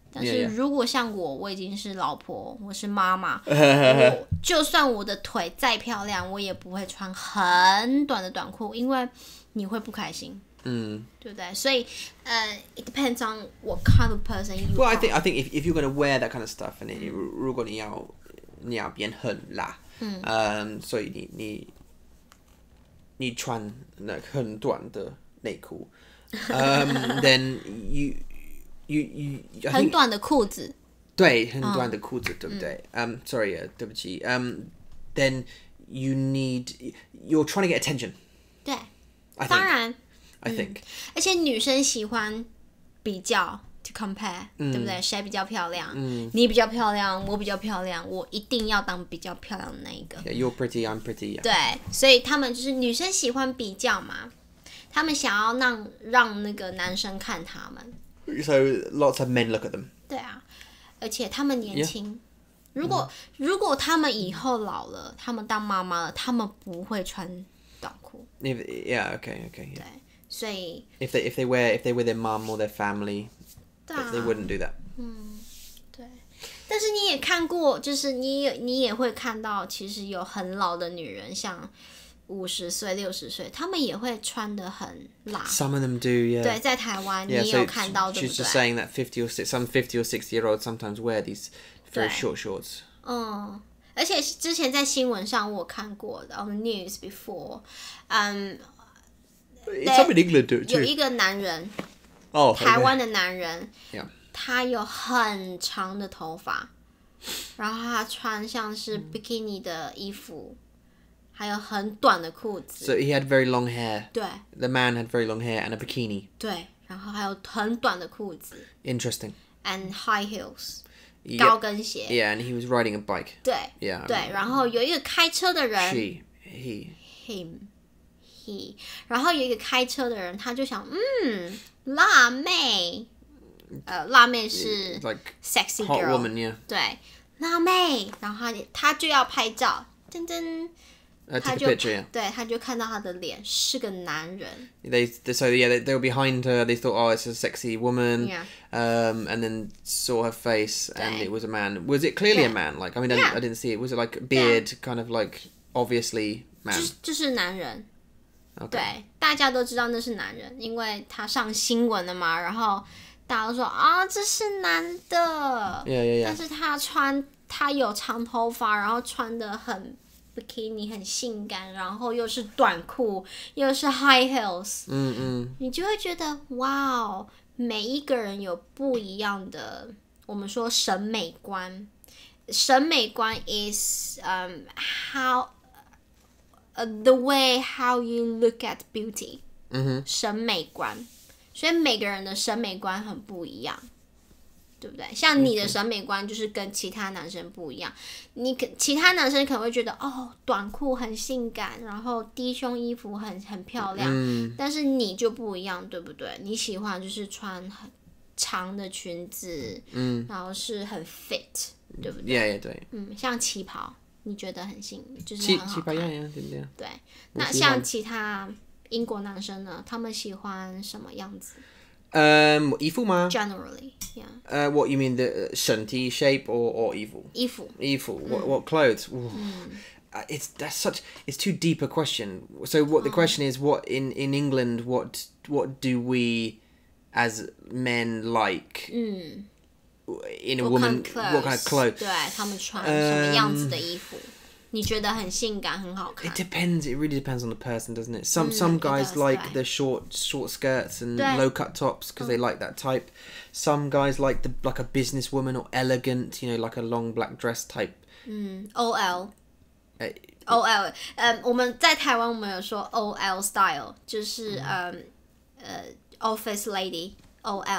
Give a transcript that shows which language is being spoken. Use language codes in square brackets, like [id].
[zh] 但是如果像我已经是老婆，我是妈妈，就算我的腿再漂亮，我也不会穿很短的短裤，因为你会不开心。对不对？所以 [en] it depends on what kind of person you are. Well, I think if you're going to wear that kind of stuff, and then [zh] 如果你要变很辣，所以你穿那很短的内裤 [en] then you think, [zh] 很短的裤子，对，很短的裤子，对不对？ [en] sorry, [zh] 对不起。 [en] Then you need you're trying to get attention. [zh] 对， [en] I think, [zh] 当然 [en] ，I think， [zh] 而且女生喜欢比较。 [en] To compare, [zh] 对不对？谁比较漂亮？你比较漂亮，我比较漂亮，我一定要当比较漂亮的那一个。 [en] Yeah, you're pretty, I'm pretty.、Yeah. [zh] 对，所以他们就是女生喜欢比较嘛，他们想要让那个男生看他们。 [en] So lots of men look at them. [zh] 对啊，而且他们年轻、如果他们以后老了，他们当妈妈了，他们不会穿短裤。 [en] Yeah, okay, okay. [zh] 对，所以 [en] if they were their mom or their family, they wouldn't do that. [zh] 嗯，对。但是你也看过，就是你也会看到，其实有很老的女人，像50岁、60岁，他们也会穿得很辣。 [en] Some of them do, yeah. [zh] 对，在台湾你也有看到，对不对？ [en] She's just saying that some 50 or 60 year olds sometimes wear these. Very short shorts. [zh] 嗯，而且之前在新闻上我看过的 [en] on the news before. It's up in England too. [zh] 有一个男人， [en] 哦、oh, okay. ， [zh] 台湾的男人， [en] yeah. [zh] 他有很长的头发，然后他穿像是 bikini 的衣服，还有很短的裤子。 [en] So he had very long hair. [zh] 对 [en] ，the man had very long hair and a bikini. [zh] 对，然后还有很短的裤子。 [en] Interesting. And high heels. [zh] 高跟鞋 [en] Yeah, and he was riding a bike. [zh] 对 [en] yeah, [zh] 对，然后有一个开车的人 [en] She, he Him, he [zh] 然后有一个开车的人他就想辣妹辣妹是 [en] Like sexy girl Hot woman, yeah [zh] 对辣妹然后 他就要拍照噔噔 [en] Take a picture, yeah [zh] 对他就看到他的脸是个男人 [en] They were behind her They thought, oh, it's a sexy woman Yeah. And then saw her face, and it was a man. Was it clearly a man? Like, I mean, I didn't see it. Was it like beard, kind of like obviously man? [zh] 就是男人。 [en] Okay. [zh] 对，大家都知道那是男人，因为他上新闻了嘛。然后大家都说啊，这是男的。 [en] Yeah, yeah, yeah. [zh] 但是他有长头发，然后穿得很 bikini， 很性感，然后又是短裤，又是 high heels。嗯嗯。你就会觉得哇哦。每一个人有不一样的，我们说审美观。 [en] 审美观 is how the way how you look at beauty. [zh] 嗯哼，审美观，所以每个人的审美观很不一样，对不对？像你的审美观就是跟其他男生不一样。你其他男生可能会觉得哦，短裤很性感，然后低胸衣服很漂亮、嗯，但是你就不一样，对不对？你喜欢就是穿很长的裙子，嗯，然后是很 fit， 对不对？ [en] Yeah, yeah, [zh] 对，嗯，像旗袍，你觉得很性，就是很好看。旗袍 [en] yeah, yeah, [zh] 对不对？对，那像其他英国男生呢？他们喜欢什么样子？衣服吗 [en] ？Generally, yeah. What you mean the 身体 shape or 衣服？ [zh] 衣服。衣服。 [en] What clothes? It's too deep a question. So what the question is? What in England? What do we as men like? In a woman, what kind of clothes? 对，他们穿什么样子的衣服？你觉得很性感，很好看。 It depends. It really depends on the person, doesn't it? Some guys like the short skirts and low cut tops because they like that type. Some guys like the like a businesswoman or elegant, you know, like a long black dress type. [zh] OL. 我们在台湾我们有说 OL style， 就是office lady OL.